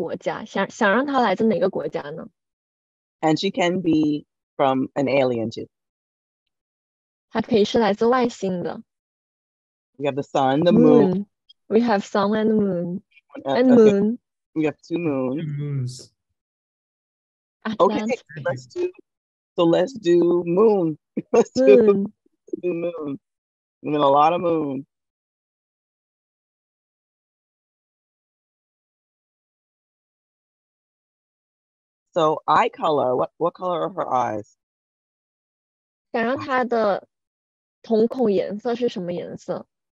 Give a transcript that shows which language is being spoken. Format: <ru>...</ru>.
<zh>他的种族或者是说他的来自哪个国家想让他来自哪个国家呢?</zh> <en>And she can be from an alien too.</en> <zh>他可以是来自外星的。</zh> <en>We have the sun, the moon. We have sun and the moon. And okay. Moon. We have two moons. Two moons. Okay, let's do moon. Let's do moon. And then a lot of moon. So eye color, what color are her eyes?</en> <zh>想让她的瞳孔颜色是什么颜色?</zh>